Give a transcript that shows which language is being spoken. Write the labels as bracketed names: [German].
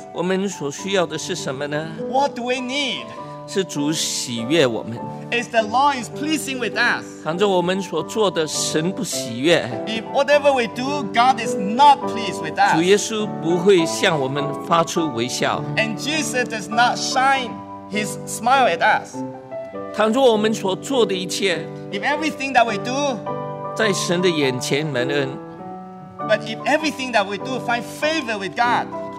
[Chinese] 我们所需要的是什么呢 [English] What do we need [Chinese] 是主喜悦我们 [English] Is the Lord is pleasing with us [Chinese] 倘若我们所做的神不喜悦 [English] If whatever we do God is not pleased with us [Chinese] 主耶稣不会向我们发出微笑 [English] And Jesus does not shine his smile at us [Chinese] 倘若我们所做的一切 [English] If everything that we do [Chinese] 在神的眼前蒙恩 [English] But if everything that we do find favor with God,